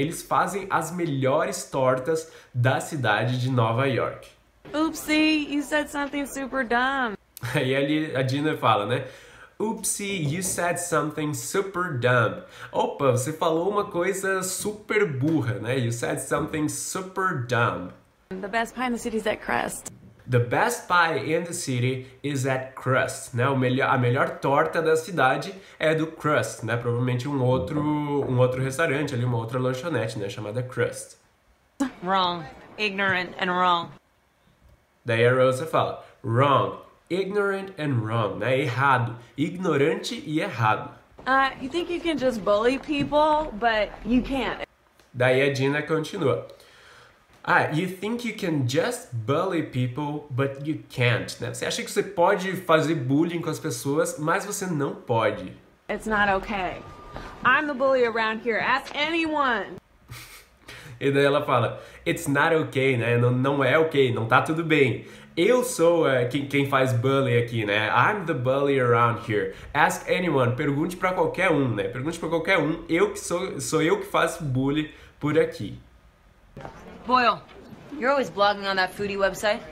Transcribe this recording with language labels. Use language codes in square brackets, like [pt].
[pt] Eles fazem as melhores tortas da cidade de Nova York. [en] Oopsie, you said something super dumb. [pt] Aí ali a Gina fala, né? [en] Oopsie, you said something super dumb. [pt] Opa, você falou uma coisa super burra, né? [en] You said something super dumb. The best pie in the city is at Crest. The best pie in the city is at Crust, né? [pt] A melhor torta da cidade é do Crust, né? Provavelmente um outro restaurante ali, uma outra lanchonete, né? Chamada Crust. [en] Wrong, ignorant and wrong. [pt] Daí a Rosa fala, [en] wrong, ignorant and wrong, [pt] né? Errado, ignorante e errado. [en] You think you can just bully people, but you can't. [pt] Daí a Gina continua. [en] Ah, you think you can just bully people, but you can't, né? [pt] Você acha que você pode fazer bullying com as pessoas, mas você não pode. [en] It's not okay. I'm the bully around here. Ask anyone. [pt] E daí ela fala, [en] it's not okay, [pt] né? Não, não é okay, não tá tudo bem. Eu sou quem faz bully aqui, né? [en] I'm the bully around here. Ask anyone. [pt] Pergunte pra qualquer um, né? Pergunte pra qualquer um. Eu que sou eu que faço bully por aqui. [en] Boyle, you're always blogging on that foodie website.